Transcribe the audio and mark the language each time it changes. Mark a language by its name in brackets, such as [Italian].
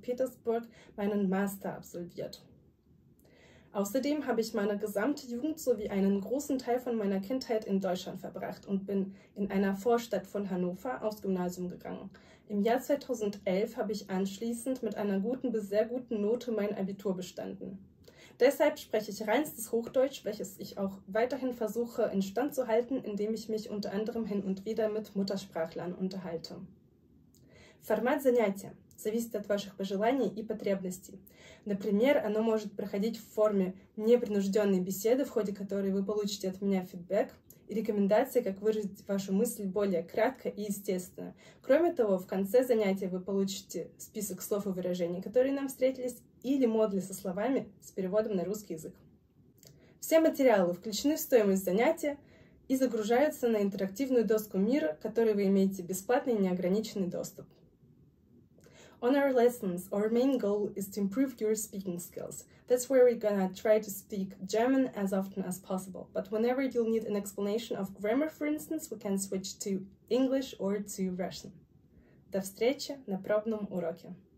[German] Petersburg meinen Master absolviert. Außerdem habe ich meine gesamte Jugend sowie einen großen Teil von meiner Kindheit in Deutschland verbracht und bin in einer Vorstadt von Hannover aufs Gymnasium gegangen. Im Jahr 2011 habe ich anschließend mit einer guten bis sehr guten Note mein Abitur bestanden. Deshalb spreche ich reinstes Hochdeutsch, welches ich auch weiterhin versuche instand zu halten, indem ich mich unter anderem hin und wieder mit Muttersprachlern unterhalte. [Russian] Format занятия зависит от ваших пожеланий и потребностей. Например, оно может проходить в форме непринужденной беседы, в ходе которой вы получите от меня фидбэк и рекомендации, как выразить вашу мысль более кратко и естественно. Кроме того, в конце занятия вы получите список слов и выражений, которые нам встретились, или модули со словами с переводом на русский язык. Все материалы включены в стоимость занятия и загружаются на интерактивную доску мира, к которой вы имеете бесплатный и неограниченный доступ. [English] On our lessons, our main goal is to improve your speaking skills. That's where we're gonna try to speak German as often as possible. But whenever you'll need an explanation of grammar, for instance, we can switch to English or to Russian. [Russian] До встречи на пробном уроке!